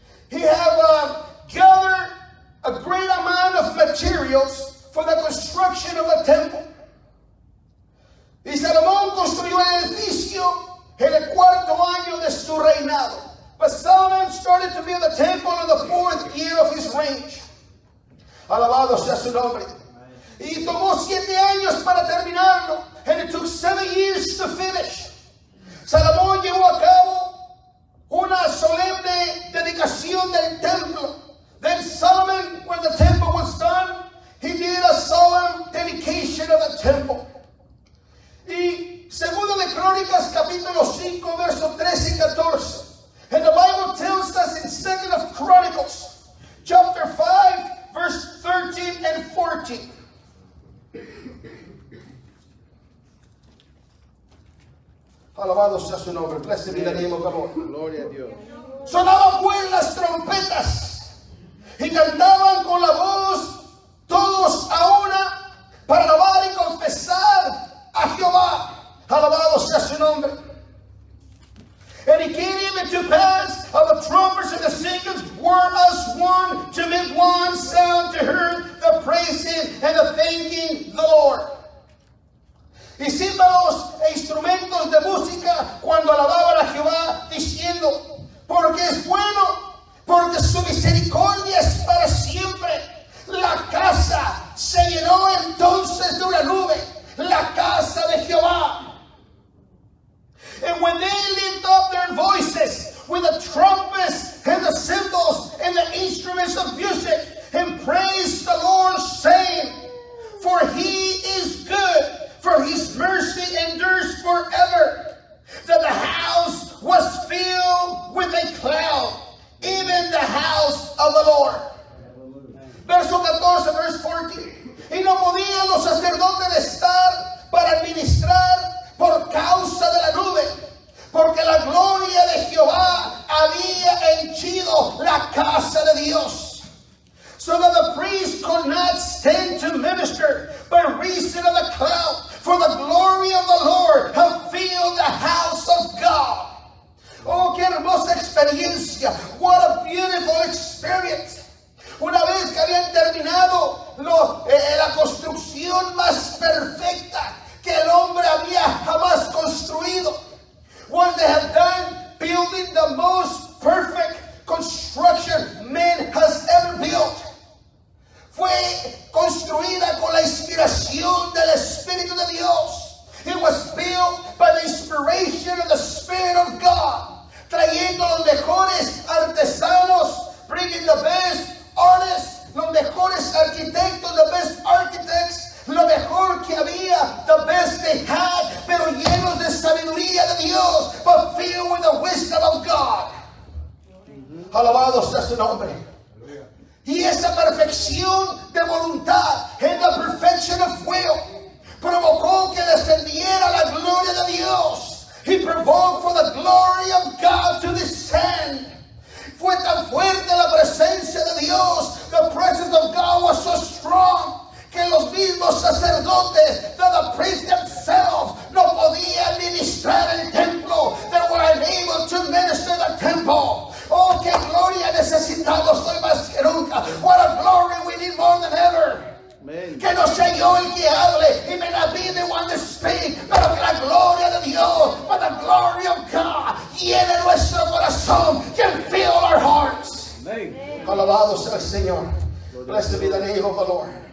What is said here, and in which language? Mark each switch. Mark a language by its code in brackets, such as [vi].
[en] He had gathered a great amount of materials for the construction of the temple. [es] Y Salomón construyó el edificio en el cuarto año de su reinado. [en] But Solomon started to build the temple in the fourth year of his reign. [es] Alabado sea su nombre. Y tomó 7 años para terminarlo. [en] And it took 7 years to finish. [es] Salomón llevó a cabo una solemne dedicación del templo. [en] Then Solomon, when the temple was done, he did a solemn dedication of the temple. [es] Y segundo de Crónicas, capítulo 5, versos 13 y 14. [en] And the Bible tells us in Second of Chronicles, chapter 5, verse 13 and 14. [es] Alabado sea su nombre. [en] Blessed be the name of the Lord. [es] Gloria a Dios. Sonaban pues las trompetas y cantaban con la voz todos a una para alabar y confesar a Jehová. Alabado sea su nombre. [en] And it came even to pass of the trumpets and the singers were as one to make one sound to hear the praising and the thanking the Lord. [es] Y címbalos e instrumentos de música cuando alababan a Jehová diciendo, porque es bueno, porque su misericordia es para siempre. La casa se llenó entonces de una nube, la casa de Jehová. [en] And when they lift up their voices with the trumpets and the cymbals and the instruments of music and praise the Lord saying, for he is good. For his mercy endures forever. That the house was filled with a cloud, even the house of the Lord. [es] Verso 14, [en] verse 14. [es] Y no podían los sacerdotes estar para administrar por causa de la nube, porque la gloria de Jehová había henchido la casa de Dios. [en] So that the priest could not stand to minister by reason of the cloud. For the glory of the Lord have filled the house of God. [es] Oh, qué hermosa experiencia. [en] What a beautiful experience. [es] Una vez que habían terminado la construcción más perfecta que el hombre había jamás construido. [en] What they have done, building the most perfect construction man has ever built. [es] Fue construida con la inspiración del Espíritu de Dios. [en] It was built by the inspiration of the Spirit of God. [es] Trayendo los mejores artesanos. [en] Bringing the best artists. [es] Los mejores arquitectos. [en] The best architects. [es] Lo mejor que había. [en] The best they had. [es] Pero llenos de sabiduría de Dios. [en] But filled with the wisdom of God. [es] Alabado sea su nombre. Y esa perfección de voluntad, en la [en] perfection of will, [es] provocó que descendiera la gloria de Dios. [en] He provoked for the glory of God to descend. [es] Fue tan fuerte la presencia de Dios. [en] The presence of God was so strong [es] que los mismos sacerdotes, [en] that the priest himself, [es] no podían ministrar el templo. [en] They were unable to minister the temple. [es] Oh, qué gloria necesitamos hoy más que nunca. [en] What a glory we need more than ever. Amen. [es] Que no sea yo el que hable y me la pide [en] one to speak, [es] pero que la gloria de Dios, [en] but the glory of God, [es] llene nuestro corazón, [en] can fill our hearts. [es] Amen. Alabado sea el Señor. [en] Blessed be the name of the Lord.